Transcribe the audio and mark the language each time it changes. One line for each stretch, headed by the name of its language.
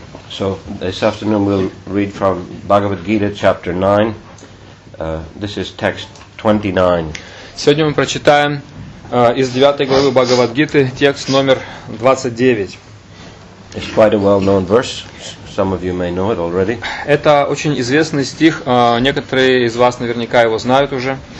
English: So, this afternoon we'll read from Bhagavad Gita, chapter 9. This is text 29.
Russian: Сегодня мы прочитаем из 9 главы Бхагавад Гиты, текст номер 29.
English: It's quite a well-known verse. Some of you may know it already.
Russian: Это очень известный стих, некоторые из вас наверняка его знают уже.